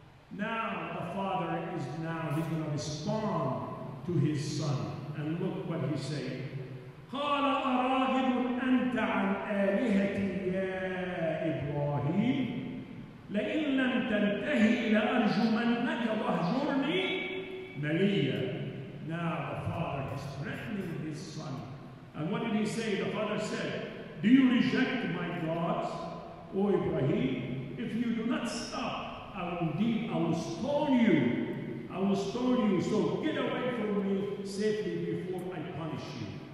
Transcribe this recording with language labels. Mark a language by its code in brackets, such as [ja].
[en] Now the father is now, he's going to respond to his son. And look what he's saying. [ar] قال أراغب أنت عن آلهتي يا إبراهيم لئن لم تنتهي لأرجمنك واهجرني مليا. [en] Now the father is threatening his son. And what did he say? The father said, do you reject my gods, O Ibrahim? If you do not stop, I will stone you. I will stone you. So get away from me safely before I punish you.